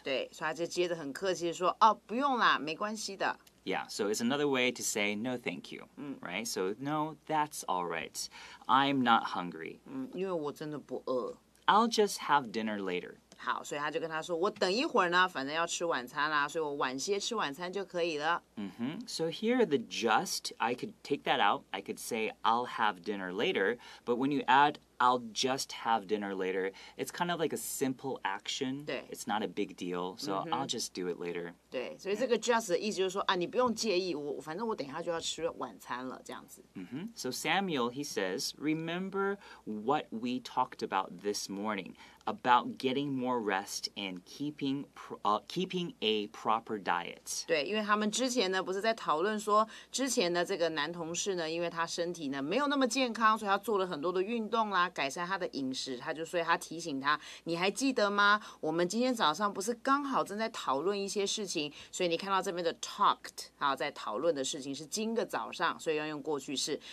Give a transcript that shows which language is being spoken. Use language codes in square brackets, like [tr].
[zh] 对，所以他就接着很客气地说，哦，不用啦，没关系的。 [en] Yeah, so it's another way to say no thank you, right? So no, that's all right. I'm not hungry. [zh] 嗯，因为我真的不饿。 [en] I'll just have dinner later. [zh] 好，所以他就跟他说，我等一会儿呢，反正要吃晚餐啦，所以我晚些吃晚餐就可以了。 [en] So here the just, I could take that out. I could say I'll have dinner later, but when you addI'll just have dinner later. It's kind of like a simple action. It's not a big deal. So I'll just do it later. [zh] 对，所以这个 just 的意思就是说啊，你不用介意，我反正我等一下就要吃晚餐了，这样子。 [en] So Samuel, he says, remember what we talked about this morning about getting more rest and keeping a proper diet. [zh] 对，因为他们之前呢不是在讨论说，之前的这个男同事呢，因为他身体呢没有那么健康，所以他做了很多的运动啦。改善他的饮食，他就所以他提醒他，你还记得吗？我们今天早上不是刚好正在讨论一些事情，所以你看到这边的 talked， 然后在讨论的事情是今个早上，所以要用过去式。